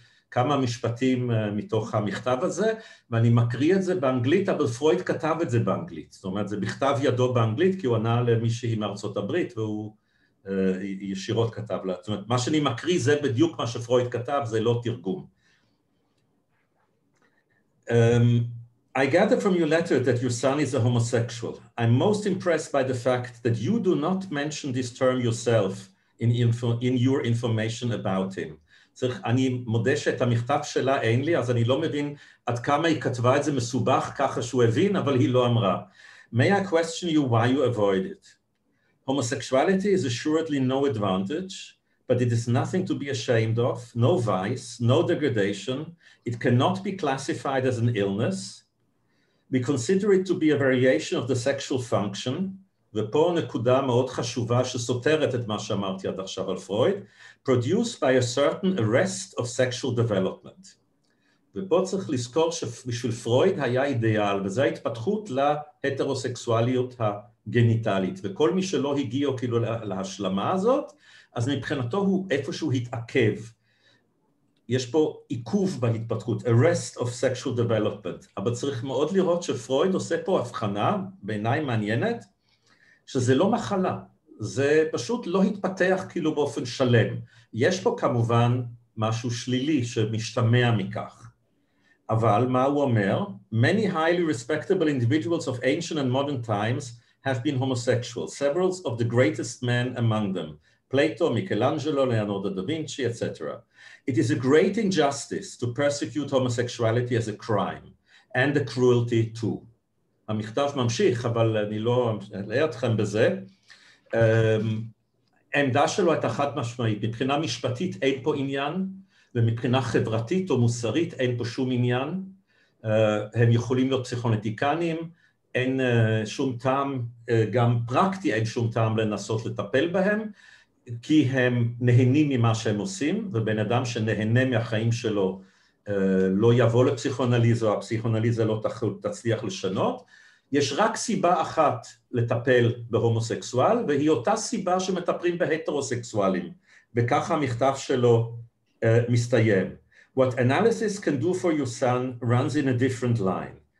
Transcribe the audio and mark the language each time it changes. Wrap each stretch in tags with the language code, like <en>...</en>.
<he>כמה משפטים מתוך המכתב הזה, ואני מקריא את זה באנגלית, אבל פרויד כתב את זה באנגלית, זאת אומרת, זה בכתב ידו באנגלית, כי הוא ענה למישהי מארצות הברית, והוא ישירות כתב לה, זאת אומרת, מה שאני מקריא זה בדיוק מה שפרויד כתב, זה לא תרגום.</he> <en>I gather from your letter that your son is a homosexual. I'm most impressed by the fact that you do not mention this term yourself, in your information about him.</en> <he>צריך, אני מודה שאת המכתב שלה אין לי, אז אני לא מבין עד כמה היא כתבה את זה מסובך ככה שהוא הבין, אבל היא לא אמרה.</he> <en>May I question you why you avoid it? Homosexuality is assuredly no advantage, but it is nothing to be ashamed of, no vice, no degradation. It cannot be classified as an illness. We consider it to be a variation of the sexual function.</en> <he>ופה נקודה מאוד חשובה שסותרת את מה שאמרתי עד עכשיו על פרויד, produced by a certain arrest of sexual development. ופה צריך לזכור שבשביל פרויד היה אידיאל, וזו ההתפתחות להטרוסקסואליות הגניטלית, וכל מי שלא הגיע כאילו להשלמה הזאת, אז מבחינתו הוא איפשהו התעכב. יש פה עיכוב בהתפתחות, arrest of sexual development, אבל צריך מאוד לראות שפרויד עושה פה הבחנה, בעיניי מעניינת, שזה לא מחלה, זה פשוט לא התפתח כאילו באופן שלם. יש פה כמובן משהו שלילי שמשתמע מכך. אבל מה הוא אומר?</he> <en>Many highly respectable individuals of ancient and modern times have been homosexual, several of the greatest men among them, Plato, Michelangelo, Leonardo da Vinci, etc. It is a great injustice to persecute homosexuality as a crime, and a cruelty too.</en> <he>המכתב ממשיך, אבל אני לא אלאה אתכם בזה. העמדה שלו הייתה חד משמעית, מבחינה משפטית אין פה עניין, ומבחינה חברתית או מוסרית אין פה שום עניין. הם יכולים להיות פסיכונטיקנים, אין שום טעם, גם פרקטי אין שום טעם לנסות לטפל בהם, כי הם נהנים ממה שהם עושים, ובן אדם שנהנה מהחיים שלו, לא יבוא לפסיכונליזה, הפסיכונליזה לא תצליח לשנות. יש רק סיבה אחת לטפל בהומוסקסואל, והיא אותה סיבה שמטפלים בהטרוסקסואלים. וככה המכתב שלו מסתיים.</he> <en>What analysis can do for your son runs in a different line.</en>